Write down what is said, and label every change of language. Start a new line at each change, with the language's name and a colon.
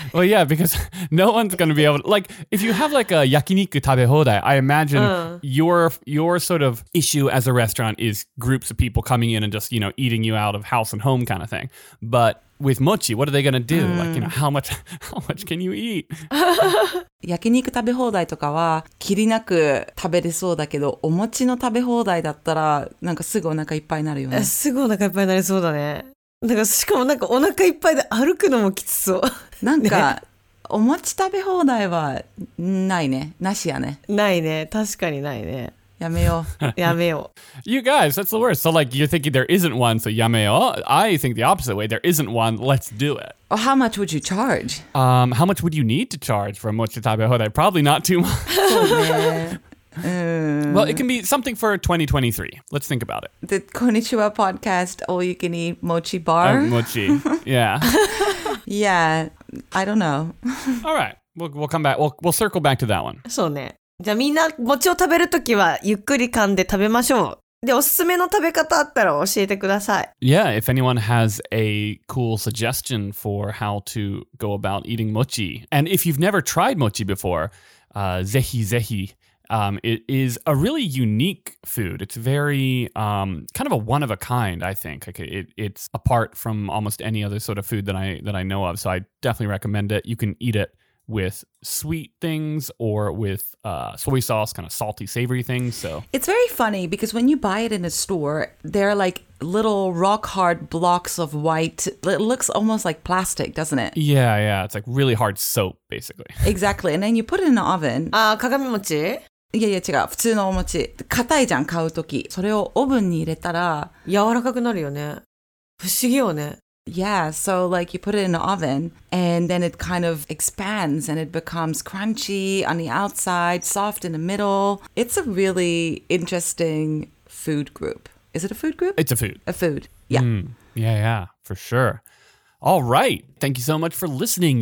English: Well, yeah, because no one's going to be able to... Like, if you have like a yakiniku tabe hodai, I imagine your sort of issue as a restaurant is groups of people coming in and just, you know, eating you out of house and home kind of thing. But... With mochi, what are they gonna do? Like, you know, how much can you eat?
Japanese: 焼肉食べ放題とかは、切りなく食べれそうだけど、お餅の食べ放題だったら、なんかすぐお腹いっぱいになるよね。すぐお腹いっぱいになりそうだね。なんかしかもなんかお腹いっぱいで歩くのもきつそう。なんか、ね、お餅食べ放題はないね。なしやね。ないね。確かにないね。やめよう。やめよう。
English: You guys, that's the worst. So like, you're thinking there isn't one, so
Japanese: やめよう。
English: I think the opposite way. There isn't one, let's do it. How much would you charge? How much would you need to charge for a mochi tabe hodai? Probably not too much. Well, it can be something for 2023. Let's think about it. The Konnichiwa podcast, all you can eat mochi bar? Mochi, yeah. Yeah, I don't know. All right, we'll come back. We'll circle back to that one. そうね。じゃあみんな餅を食べるときはゆっくり噛んで食べましょう。で、おすすめの食べ方あったら教えてください。 Yeah, if anyone has a cool suggestion for how to go about eating mochi. And if you've never tried mochi before,
Japanese: ぜひぜひ。
English: It is a really unique food. It's very kind of a one of a kind, I think. Like it's apart from almost any other sort of food that I know of. So I definitely recommend it. You can eat it with sweet things or with soy sauce, kind of salty, savory things. So it's very funny because when you buy it in a store, they're like little rock hard blocks of white. It looks almost like plastic, doesn't it? Yeah, yeah. It's like really hard soap, basically. Exactly. And then you put it in the oven. Kagami mochi?
Japanese: いやいや違う普通のお餅硬いじゃん買うときそれをオーブンに入れたら柔らかくなるよね不思議よね
English: Yeah, so like you put it in the oven and then it kind of expands and it becomes crunchy on the outside, soft in the middle. It's a really interesting food group. Is it a food group? It's a food. A food, yeah. Mm, yeah, yeah, for sure. All right. Thank you so much for listening.